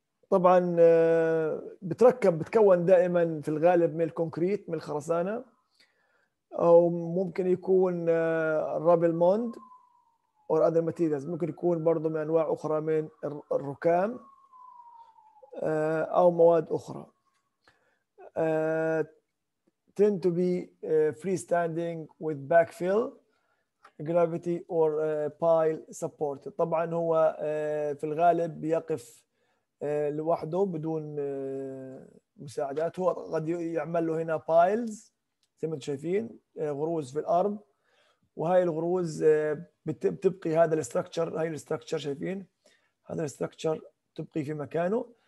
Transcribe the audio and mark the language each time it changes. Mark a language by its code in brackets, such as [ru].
[ar] طبعا بتركب بتكون دائما في الغالب من الكونكريت، من الخرسانة، او ممكن يكون [en] rubble mound or other materials, [ar] ممكن يكون برضو من انواع اخرى من الركام او مواد اخرى. [en] tend to be free standing with backfill gravity or pile support. [ar] طبعا هو في الغالب بيقف لوحده بدون مساعدات، هو قد يعمل له هنا بايلز زي ما انتم شايفين غروز في الارض، وهي الغروز بتبقي هذا الاستراكشر، هاي الاستراكشر شايفين هذا الاستراكشر تبقي في مكانه.